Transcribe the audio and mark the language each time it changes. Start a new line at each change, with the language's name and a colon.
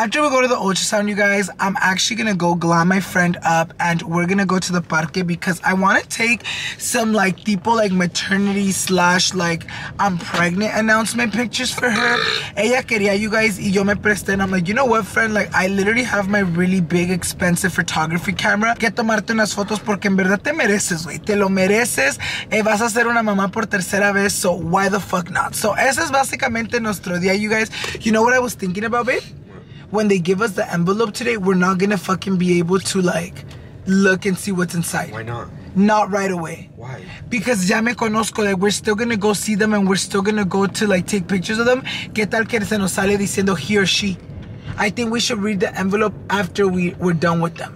English: After we go to the ultrasound, you guys, I'm actually gonna go glam my friend up and we're gonna go to the parque because I wanna take some like tipo like maternity slash like I'm pregnant announcement pictures for her.
Spanish: Ella quería,
English: you guys,
Spanish: y yo me presté,
English: and I'm like, you know what, friend? Like, I literally have my really big expensive photography camera.
Spanish: Que tomarte unas fotos porque en verdad te mereces, güey. Te lo mereces. Vas a ser una mamá por tercera vez,
English: so why the fuck not?
Spanish: So ese es básicamente nuestro día,
English: you guys. You know what I was thinking about, babe? When they give us the envelope today, we're not gonna fucking be able to like look and see what's inside. Why not? Not right away. Why? Because
Spanish: ya me conozco,
English: like, we're still gonna go see them and we're still gonna go to like take pictures of them.
Spanish: ¿Qué tal que se nos sale diciendo
English: he or she? I think we should read the envelope after we're done with them.